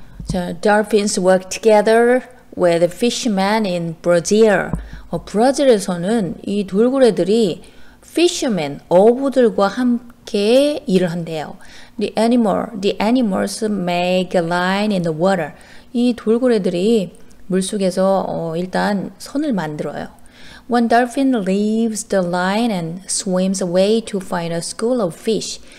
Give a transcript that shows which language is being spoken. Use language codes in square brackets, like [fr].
[en] The dolphins work together with fishermen in Brazil. [ko] 브라질에서는 이 돌고래들이 fishermen, 어부들과 함께 일을 한대요. [en] The animals make a line in the water. [ko] 이 돌고래들이 물속에서 일단 선을 만들어요. [en] One dolphin leaves the line and swims away to find a school of fish.